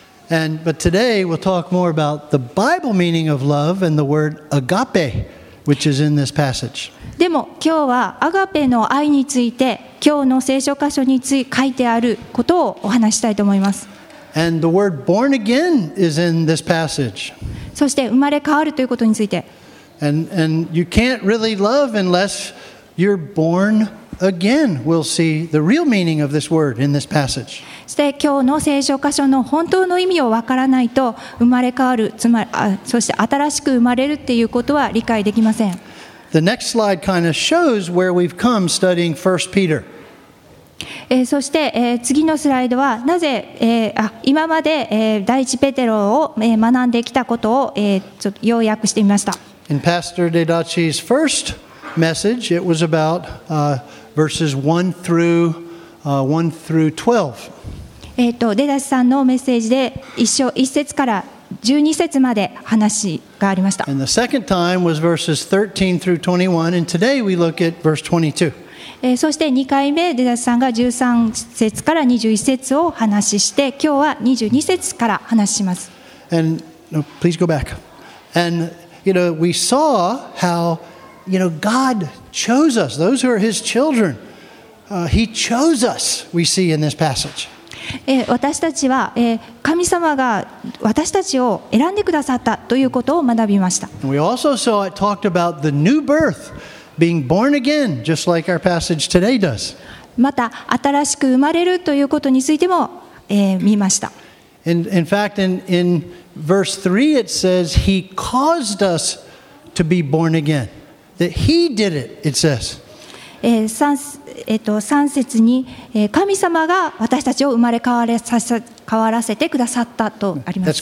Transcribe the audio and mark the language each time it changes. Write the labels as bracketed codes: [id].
[en] And but today we'll talk more about the Bible meaning of love and the word agape, which is in this passage. [ja] でも今日はアガペの愛について今日の聖書箇所につい書いてあることをお話したいと思います。 [en] And the word born again is in this passage. [ja] そして生まれ変わるということについて [en] and you can't really love unless you're born again. We'll see the real meaning of this word in this passage. [ja] そして今日の聖書箇所の本当の意味をわからないと生まれ変わる、つまり、そして新しく生まれるっていうことは理解できません。 [en] The next slide kind of shows where we've come studying 1 Peter. [ja] そして、次のスライドはなぜ、今まで、第一ペテロを、学んできたことを、ちょっと要約してみました。 [en] In Pastor Dedachi's first message, it was about, verses 1 through 12. [ja] デダチさんのメッセージで一節から12節まで話がありました。 [en] And the second time was verses 13 through 21, and today we look at verse 22. [ja] そして2回目、デダチさんが13節から21節を話しして、今日は22節から話します。 [en] And, no, please go back. And, you know, we saw how, you know, God chose us. Those who are His children, He chose us, we see in this passage. [ja] 私たちは神様が私たちを選んでくださったということを学びました。 [en] We also saw it talked about the new birth, being born again, just like our passage today does. [ja] また新しく生まれるということについても見ました。 [en] In fact, in verse 3 it says, He caused us to be born again. That He did it, it says. [ja] 3節に神様が私たちを生まれ変わらせてくださったとあります。